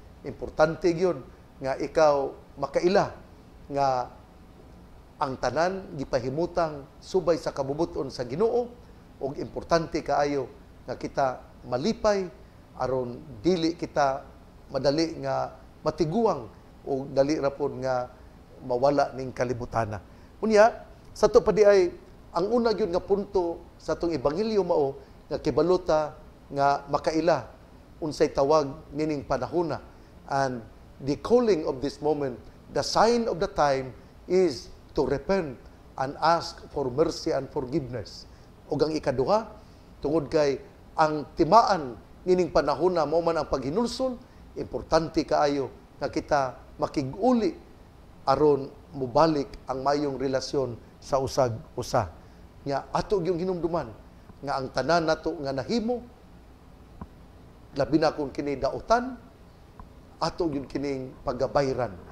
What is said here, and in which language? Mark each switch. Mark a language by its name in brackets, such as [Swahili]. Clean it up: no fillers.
[Cebuano] Importante yun nga ikaw makaila nga ang tanan, gipahimutang subay sa kabubuton sa Ginoo, o importante kaayo nga kita malipay aron dili kita madali nga matiguang o dali ra pon nga mawala ning kalibutana. Unya, sa to padi ay ang una yun nga punto sa itong ebanghelyo mao nga kibalota nga makaila unsay tawag nining panahuna. [English] And the calling of this moment, the sign of the time is to repent and ask for mercy and forgiveness. [Cebuano] O gang ikaduha, tungod kay ang timaan nining panahuna mao man ang paghinulsol, importante kaayo nga kita makiguli aron mubalik ang mayong relasyon sa usag-usa. Nga ato yung hinumduman nga ang tanan nato nga nahimo labi na kun kini daotan, ato yung kining pagabayran.